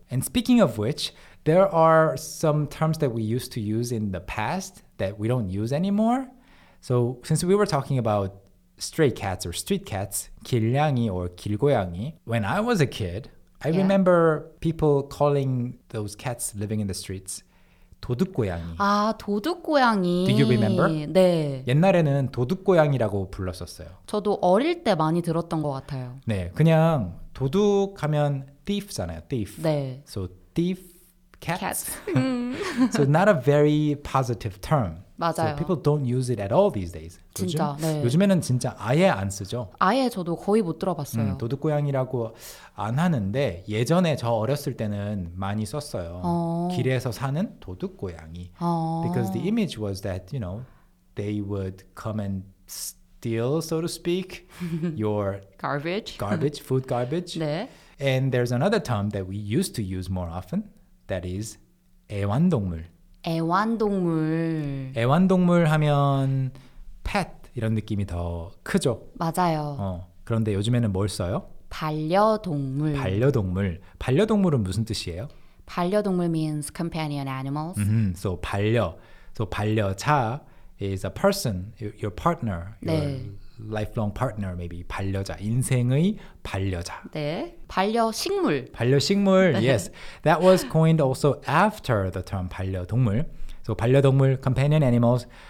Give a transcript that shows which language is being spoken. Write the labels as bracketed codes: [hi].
[en] And speaking of which, there are some terms that we used to use in the past that we don't use anymore. So since we were talking about stray cats or street cats, 길냥이 or 길고양이, when I was a kid, I remember people calling those cats living in the streets 도둑고양이. [ko] 아, 도둑고양이. [en] Do you remember? [ko] 네. 옛날에는 도둑고양이라고 불렀었어요. 저도 어릴 때 많이 들었던 것 같아요. 네, 그냥 도둑하면 thief잖아요, thief. 네. [en] So thief cats. Cats. So not a very positive term. [ko] 맞아요. [en] So people don't use it at all these days. [ko] 진짜. 요즘? 네. 요즘에는 진짜 아예 안 쓰죠. 아예 저도 거의 못 들어봤어요. 도둑고양이라고 안 하는데 예전에 저 어렸을 때는 많이 썼어요. 어. 길에서 사는 도둑고양이. 어. [en] Because the image was that, you know, they would come and steal, so to speak, your garbage. Garbage, food garbage. [ko] 네. [en] And there's another term that we used to use more often. That is 애완동물. [ko] 애완동물. 애완동물 하면 pet 이런 느낌이 더 크죠? 맞아요. 그런데 요즘에는 뭘 써요? 반려동물. 반려동물. 반려동물은 무슨 뜻이에요? [en] 반려동물 means companion animals. Mm-hmm. So 반려. So 반려자 is a person, your partner, your [ko] 네. [en] lifelong partner maybe. 반려자. [ko] 인생의 반려자. 네. 반려식물. 반려식물. 네. Yes. [en] That was coined also after the term 반려동물. So 반려동물, companion animals,